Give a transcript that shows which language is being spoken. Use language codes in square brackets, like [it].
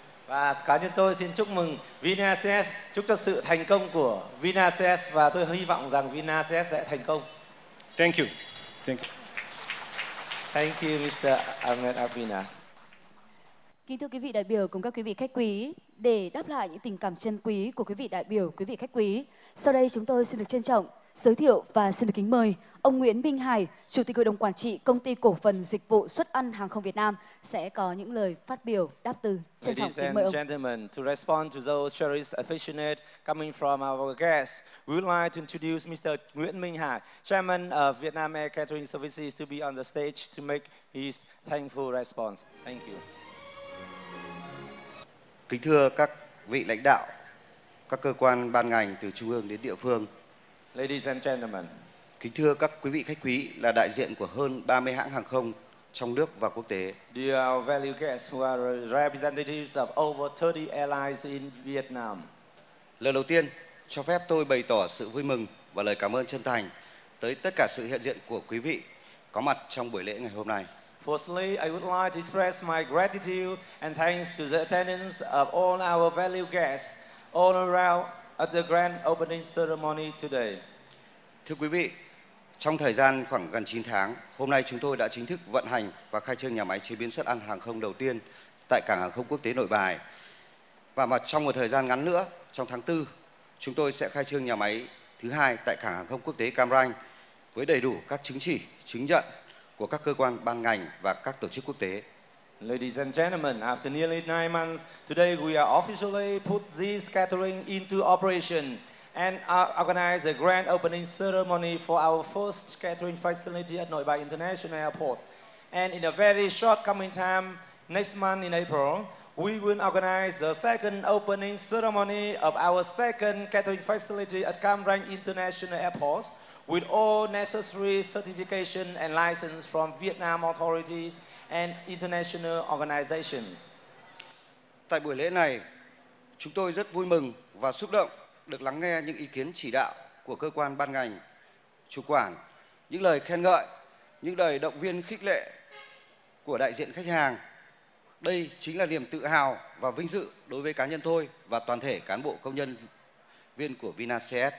[vi] Và cá nhân tôi xin chúc mừng Vinacs, chúc cho sự thành công của Vinacs, và tôi hy vọng rằng Vinacs sẽ thành công. [en] Thank you. Thank you. Thank you, Mr. Ahmed Abina. [vi] Kính thưa quý vị đại biểu cùng các quý vị khách quý, để đáp lại những tình cảm chân quý của quý vị đại biểu, quý vị khách quý, sau đây chúng tôi xin được trân trọng giới thiệu và xin được kính mời ông Nguyễn Minh Hải, Chủ tịch Hội đồng Quản trị Công ty Cổ phần Dịch vụ Xuất ăn Hàng không Việt Nam sẽ có những lời phát biểu đáp từ. Trân trọng kính mời ông. [en] Ladies and gentlemen, to respond to those cherished affectionate coming from our guests, we would like to introduce Mr. Nguyễn Minh Hải, Chairman of Vietnam Air Catering Services, to be on the stage to make his thankful response. Thank you. [vi] Kính thưa các vị lãnh đạo, các cơ quan ban ngành từ trung ương đến địa phương. [en] Ladies and gentlemen. [vi] Kính thưa các quý vị khách quý là đại diện của hơn 30 hãng hàng không trong nước và quốc tế. [en] Dear valued guests who are representatives of over 30 airlines in Vietnam. [vi] Lời đầu tiên, cho phép tôi bày tỏ sự vui mừng và lời cảm ơn chân thành tới tất cả sự hiện diện của quý vị có mặt trong buổi lễ ngày hôm nay. [en] Firstly, I would like to express my gratitude and thanks to the attendance of all our valued guests all around at the grand opening ceremony today. [vi] Thưa quý vị, trong thời gian khoảng gần 9 tháng, hôm nay chúng tôi đã chính thức vận hành và khai trương nhà máy chế biến xuất ăn hàng không đầu tiên tại Cảng Hàng không Quốc tế Nội Bài. Và mà trong một thời gian ngắn nữa, trong tháng 4, chúng tôi sẽ khai trương nhà máy thứ hai tại Cảng Hàng không Quốc tế Cam Ranh với đầy đủ các chứng chỉ, chứng nhận của các cơ quan ban ngành và các tổ chức quốc tế. [en] Ladies and gentlemen, after nearly 9 months, today we are officially put this catering into operation and organize a grand opening ceremony for our first catering facility at Nội Bài International Airport. And in a very short coming time, next month in April, we will organize the second opening ceremony of our second catering facility at Cam Ranh International Airport, with all necessary certification and license from Vietnam authorities and international organizations. [vi] Tại buổi lễ này, chúng tôi rất vui mừng và xúc động được lắng nghe những ý kiến chỉ đạo của cơ quan ban ngành chủ quản, những lời khen ngợi, những lời động viên khích lệ của đại diện khách hàng. Đây chính là niềm tự hào và vinh dự đối với cá nhân tôi và toàn thể cán bộ công nhân viên của Vinacs.